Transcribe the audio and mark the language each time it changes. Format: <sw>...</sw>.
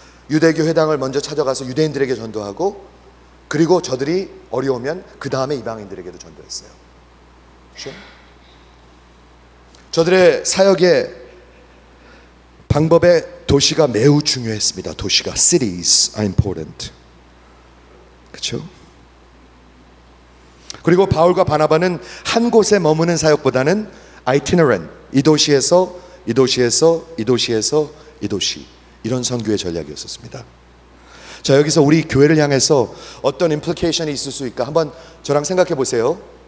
<ko>유대교 회당을 먼저 찾아가서 유대인들에게 전도하고, 그리고 저들이 어려우면 그 다음에 이방인들에게도 전도했어요. 그렇죠? 저들의 사역의 방법에 도시가 매우 중요했습니다. 도시가,</ko> <en>cities are important.</en> <ko>그렇죠? 그리고 바울과 바나바는 한 곳에 머무는 사역보다는 itinerant, 이 도시에서 이 도시에서 이 도시에서 이 도시, 이런 선교의 전략이었습니다. 자, 여기서 우리 교회를 향해서 어떤 implication이 있을 수 있을까 한번 저랑 생각해 보세요.</ko>